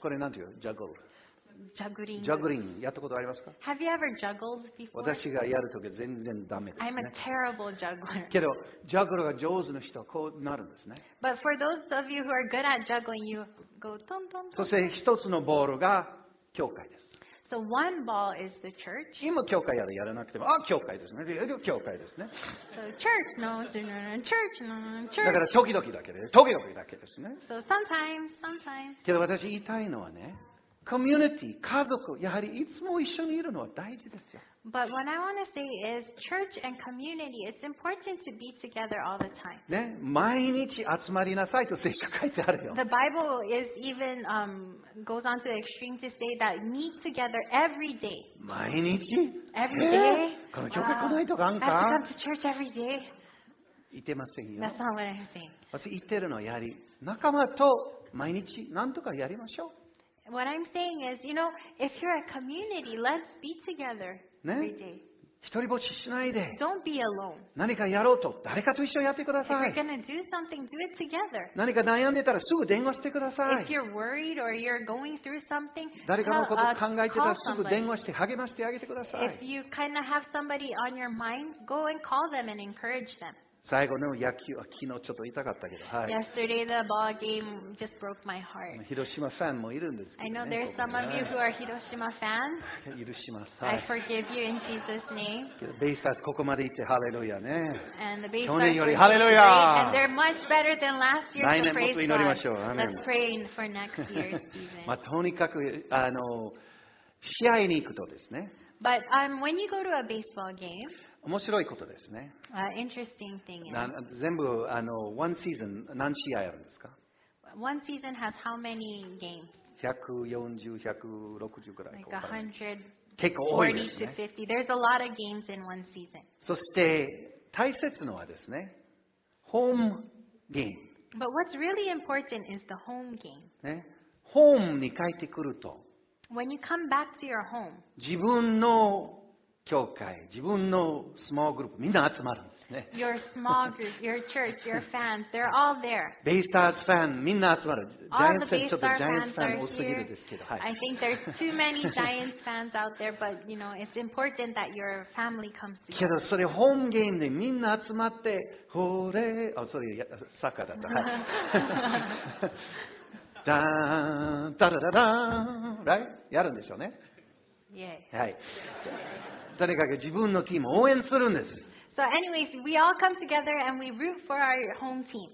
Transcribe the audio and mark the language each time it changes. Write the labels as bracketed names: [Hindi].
[Japanese] これなんていう？ジャグル。ジャグリングやったことありますか？ [English] Have you ever juggled before? [Japanese] 私がやるとき全然ダメですね。 [English] I'm a terrible juggler. [Japanese] けどジャグルが上手な人はこうなるんですね。 [English] But for those of you who are good at juggling, you go トントン。 [Japanese] そして一つのボールが教会です。 [English] So one ball is the church. [Japanese] 今教会やるやらなくても教会ですね。教会ですね。 [English] So church, no, no, no, church, no, church. [Japanese] だから時々だけで、時々だけですね。 [English] So sometimes, sometimes. [Japanese] けど私言いたいのはね。コミュニティ、家族、やはりいつも一緒にいるのは大事ですよ。 [English] But what I want to say is, church and community, it's important to be together all the time. [Japanese] ね、毎日集まりなさいと聖書書いてあるよ。 [English] The Bible is even goes on to the extreme to say that meet together every day. [Japanese] 毎日？ [English] Every day. [Japanese] この教会来ないとかあんか？ [English] I have to come to church every day. [Japanese] 言ってませんよ。 [English] That's not what I'm saying. [Japanese] 私言ってるのはやはり仲間と毎日何とかやりましょう。 [English] What I'm saying is, you know, if you're a community, let's be together every day. [Japanese] 一人ぼっちしないで。 [English] Don't be alone. [Japanese] 何かやろうと誰かと一緒やってください。 [English] If you're gonna do something, do it together. [Japanese] 何か悩んでたらすぐ電話してください。 [English] If you're worried or you're going through something, [Japanese] 誰かのこと考えてたらすぐ電話して励ましてあげてください。 [English] If you kind of have somebody on your mind, go and call them and encourage them. [Japanese] 最後の野球は昨日ちょっと痛かったけど、はい。 [English] Yesterday the ball game just broke my heart. [Japanese] 広島ファンもいるんですけどね。 [English] I know there's some of you who are 広島 fans. [Japanese] 許します、はい。 [English] I forgive you in Jesus' name. [Japanese] ベイスターズここまで行ってハレルヤね。 [English] And the Bay [Japanese] Stars 去年よりハレルヤ。 [English] And they're much better than last year. [Japanese] 来年もっと祈りましょう。 [English] Let's pray for next year's season. [Japanese] まあとにかく試合に行くとですね。 [English] But when you go to a baseball game. [Japanese] 面白いことですね。 [English] Interesting thing is, [Japanese] 全部 [English] one season [Japanese] 何試合あるんですか [English] ？One season has how many games？ [Japanese] 140、160くらい。 [English] Like 100。 [Japanese] 結構多いですね。40 [English] to 50. There's a lot of games in one season. [Japanese] そして大切のはですね、ホームゲーム。 [English] But what's really important is the home game. [Japanese] ね、ホームに帰ってくると [English] When you come back to your home, [Japanese] 自分の教会、自分のスモールグループ、みんな集まるんですね。 [English] Your small group, your church, your fans, they're all there. [Japanese] ベイスターズファン、みんな集まる。ジャイアンツファン、ちょっとジャイアンツファン多すぎるんですけど、はい。 [English] I think there's too many Giants fans out there, but you know, it's important that your family comes together. [Japanese] けどそれホームゲームでみんな集まって、ほーれー、あ、それサッカーだった。はい。ダーン、ダラダダーン、ライ、やるんでしょうね。 [English] Yeah. [Japanese] はい。とにかく自分のチームを応援するんです。 [English] So anyways, we all come together and we root for our home team.